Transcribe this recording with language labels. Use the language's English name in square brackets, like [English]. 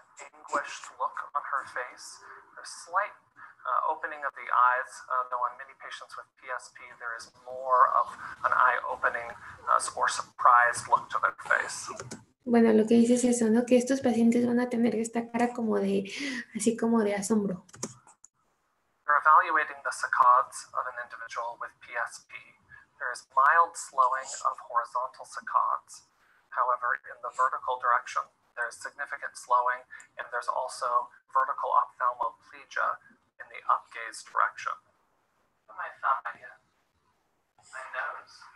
[English] Anguished look on her face, a slight opening of the eyes, though on many patients with PSP, there is more of an eye-opening or surprised look to their face. [Spanish] Bueno, lo que dice es eso, ¿no? Que estos pacientes van a tener esta cara como de, así como de asombro. [English] Evaluating the saccades of an individual with PSP, there is mild slowing of horizontal saccades. However, in the vertical direction, there is significant slowing, and there's also vertical ophthalmoplegia in the upgaze direction. My thumb idea. My nose.